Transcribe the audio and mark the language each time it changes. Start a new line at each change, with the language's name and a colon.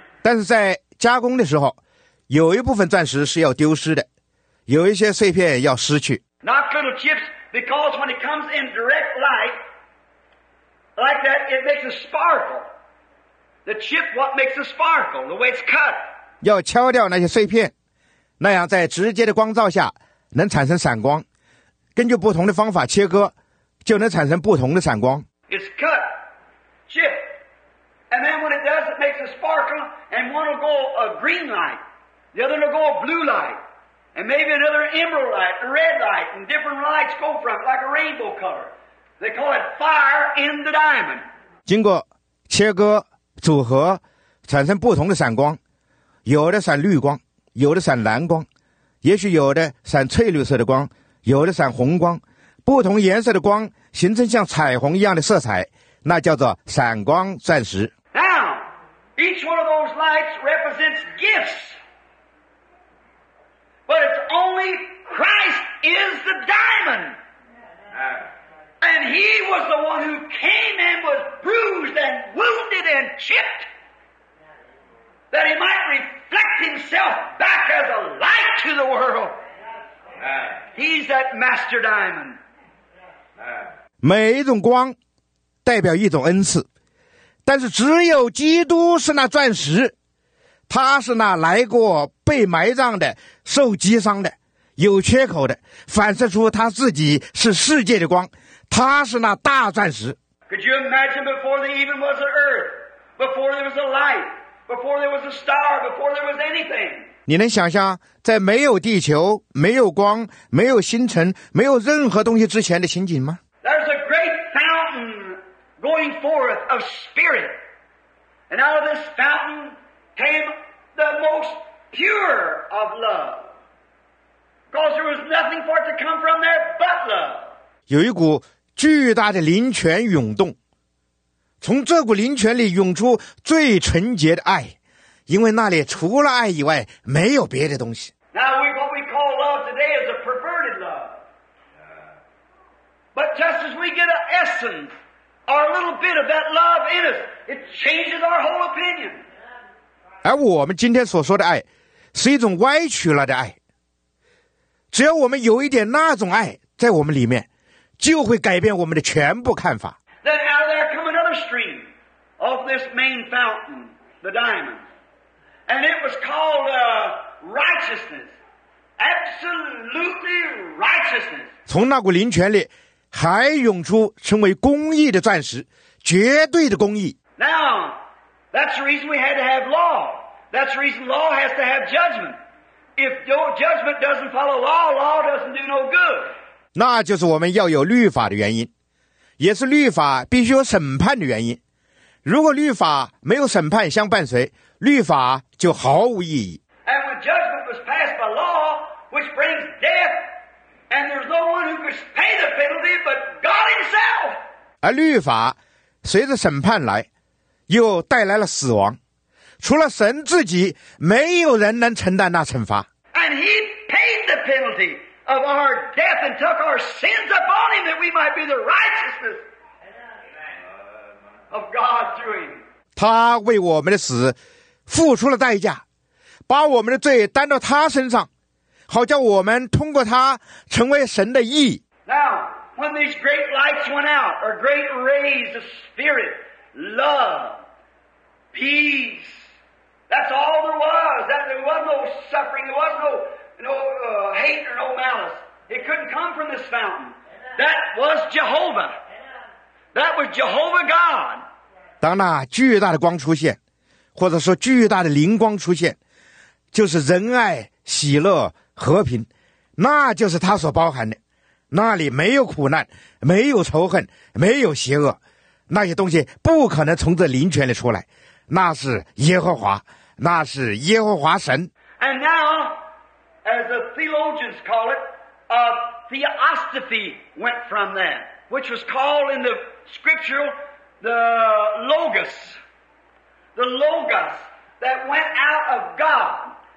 Chinese: 但是在加工的时候，有一部分钻石是要丢失的，有一些碎片要失去。
English: Not little chips, because when it comes in direct light, like that, it makes a sparkle. The chip, what makes a sparkle? The way it's cut.
Chinese: 要敲掉那些碎片，那样在直接的光照下能产生闪光。根据不同的方法切割就能产生不同的闪光。
English: It's cut, chip, and then when it does, it makes a sparkle, and one will go a green light, the other will go a blue light, and maybe another emerald light, a red light, and different lights go from it, like a rainbow color. They call it fire in the diamond.
Chinese: 经过切割、组合，产生不同的闪光，有的闪绿光，有的闪蓝光，也许有的闪翠绿色的光，有的闪红光。不同颜色的光形成像彩虹一样的色彩，那叫做闪光钻石。
English: Now, each one of those lights represents gifts, but it's only Christ is the diamond, and He was the one who came and was bruised and wounded and chipped, that He might reflect Himself back as a light to the world. He's that master diamond.
Chinese: 每一种光代表一种恩赐，但是只有基督是那钻石，他是那来过被埋葬的、受击伤的、有缺口的，反射出他自己是世界的光，他是那大钻石。
English: Could you imagine before there even was an earth, before there was a light, before there was a star, before there was anything?
Chinese: 你能想象在没有地球、没有光、没有星辰、没有任何东西之前的情景吗？
English: There's a great fountain going forth of spirit, and out of this fountain came the most pure of love, because there was nothing for it to come from there but love.
Chinese: 有一股巨大的灵泉涌动，从这股灵泉里涌出最纯洁的爱。因为那里除了爱以外没有别的东西。
English: Now, what we call love today is a perverted love. But just as we get an essence, or a little bit of that love in us, it changes our whole opinion.
Chinese: 而我们今天所说的爱，是一种歪曲了的爱。只要我们有一点那种爱在我们里面，就会改变我们的全部看法。
English: Then out of there come another stream off this main fountain, the diamond, and it was called righteousness, absolutely righteousness.
Chinese: 从那股灵泉里还涌出成为公义的钻石，绝对的公义。
English: Now, that's the reason we had to have law. That's the reason law has to have judgment. If your judgment doesn't follow law, law doesn't do no good.
Chinese: 那就是我们要有律法的原因，也是律法必须有审判的原因。如果律法没有审判相伴随，律法就毫无意义。
English: And when judgment was passed by law, which brings death, and there's no one who could pay the penalty but God Himself.
Chinese: 而律法随着审判来，又带来了死亡。除了神自己，没有人能承担那惩罚。
English: And He paid the penalty of our death and took our sins upon Him that we might be the righteousness of God through Him.
Chinese: 他为我们的死付出了代价，把我们的罪担到他身上，好叫我们通过他成为神的义。
English: Now, when these great lights went out, or great rays of spirit, love, peace, that's all there was. That there was no suffering, there was no hate or no malice. It couldn't come from this fountain. That was Jehovah. That was Jehovah God.
Chinese: 当那巨大的光出现，或者说巨大的灵光出现，就是仁爱、喜乐、和平，那就是他所包含的。那里没有苦难，没有仇恨，没有邪恶，那些东西不可能从这灵泉里出来。那是耶和华，那是耶和华神。
English: And now, as the theologians call it, a theosophy went from that, which was called in the scriptural the logos. The logos that went out of God.